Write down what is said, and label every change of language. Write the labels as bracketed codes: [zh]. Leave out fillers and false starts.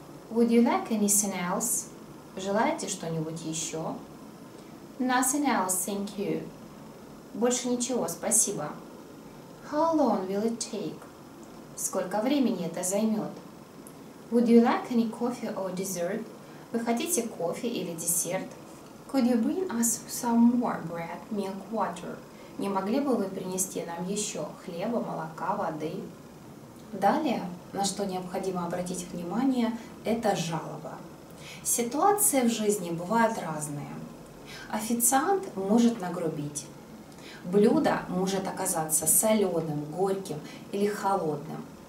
[en] Would you like anything else? [ru] Желаете что-нибудь еще? [en] Nothing else, thank you. [ru] Больше ничего, спасибо. [en] How long will it take? [ru] Сколько времени это займет? [en] Would you like any coffee or dessert? [ru] Вы хотите кофе или десерт? [en] Could you bring us some more bread, milk, water? [ru] Не могли бы вы принести нам еще хлеба, молока, воды? Далее, на что необходимо обратить внимание, это жалоба. Ситуации в жизни бывают разные. Официант может нагрубить. Блюдо может оказаться соленым, горьким или холодным.